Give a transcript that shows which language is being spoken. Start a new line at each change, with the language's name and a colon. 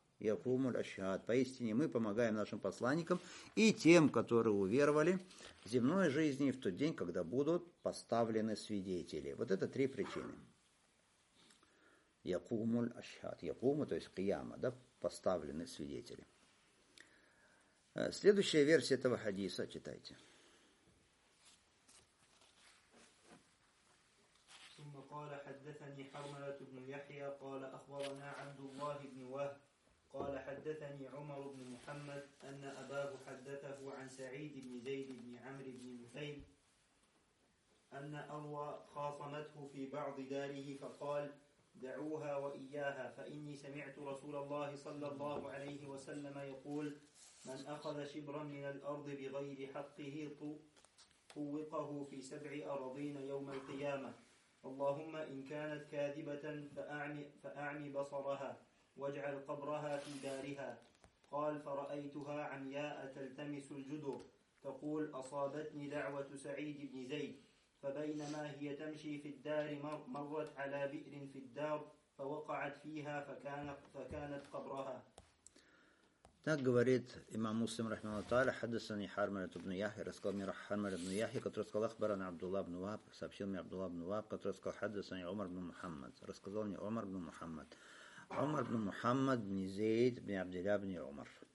Russian: Якуму аль-Ашхад. Поистине мы помогаем нашим посланникам и тем, которые уверовали в земной жизни в тот день, когда будут поставлены свидетели. Вот это три причины. Якуму аль-Ашхад. Якуму, то есть Кияма, да, поставлены свидетели. Следующая версия этого хадиса, читайте.
Arabic: قال حدثني حرملة بن يحيى قال أخبرنا عبد الله بن وهب قال حدثني عمر بن محمد أن أباه حدثه عن سعيد بن زيد بن عمرو بن نفيل أن أروى خاصمته في بعض داره فقال دعوها وإياها فإني سمعت رسول الله صلى الله عليه وسلم يقول من أخذ شبرا من الأرض بغير حقه طوقه في سبع أراضين يوم القيامة اللهم إن كانت كاذبة فأعمي بصرها واجعل قبرها في دارها قال فرأيتها عمياء تلتمس الجدر تقول أصابتني دعوة سعيد بن زيد فبينما هي تمشي في الدار مرت على بئر في الدار فوقعت فيها فكانت قبرها.
Russian: Так говорит имам Муслим рахмаху тааля, хаддасани Хармаля ибн Яхья, рассказал мне Хармаля ибн Яхья, который сказал, ахбарана Абдулла ибн Вахб, сообщил мне Абдулла ибн Вахб, который сказал, хаддасани Умар ибн Мухаммад, рассказал мне Умар ибн Мухаммад. Умар ибн Мухаммад ибн Зейд ибн Абдилля ибн Умар.